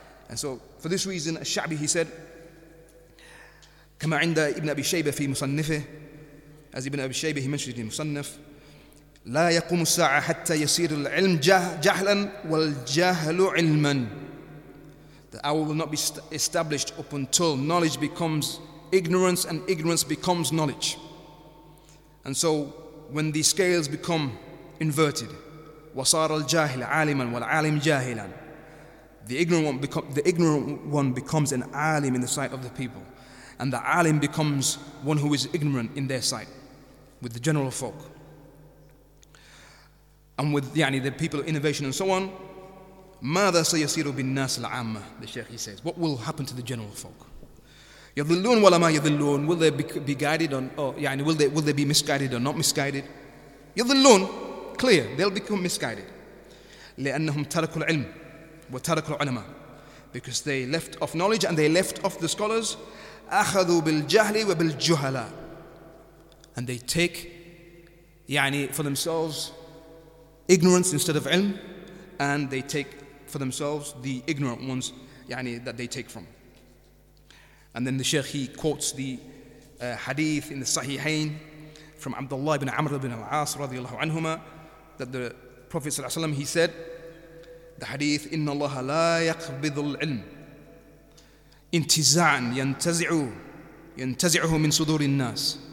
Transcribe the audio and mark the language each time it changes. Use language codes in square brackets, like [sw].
[en] And so for this reason, الشعبي, he said, [ar] كما عند ابن أبي شيبة في مصنفه, [en] as Ibn Abi Shaybah, he mentioned in Musannaf, [ar] لا يقوم الساعة حتى يصير العلم جهلا والجهل علما. [en] The hour will not be established up until knowledge becomes ignorance and ignorance becomes knowledge. And so when the scales become inverted, [ar] وصار الجاهل عالما والعالم جاهلا, [en] the ignorant one becomes an alim in the sight of the people, and the alim becomes one who is ignorant in their sight, with the general folk, and with يعني, the people of innovation and so on. [ar] ماذا سيصير بالناس العامة? [en] The Sheikh, he says, what will happen to the general folk? [ar] يضلون ولا ما يضلون? [en] Will they be guided on, or يعني, will they be misguided or not misguided? [ar] يضلون, [en] clear, they'll become misguided. [ar] لأنهم تركوا العلم وتركوا العلماء. [en] Because they left off knowledge and they left off the scholars. [ar] أخذوا بالجهل وبالجهلاء. [en] And they take يعني, for themselves ignorance instead of ilm, and they take for themselves the ignorant ones يعني, that they take from. And then the Shaykh, he quotes the hadith in the Sahihain from Abdullah ibn Amr ibn al-As radiallahu anhuma, that the Prophet sallallahu alayhi wa sallam, he said, the hadith, [ar] إِنَّ اللَّهَ لَا يَقْبِضُ الْعِلْمِ إِنْتِزَعًا يَنْتَزِعُهُ مِنْ صُدُورِ النَّاسِ.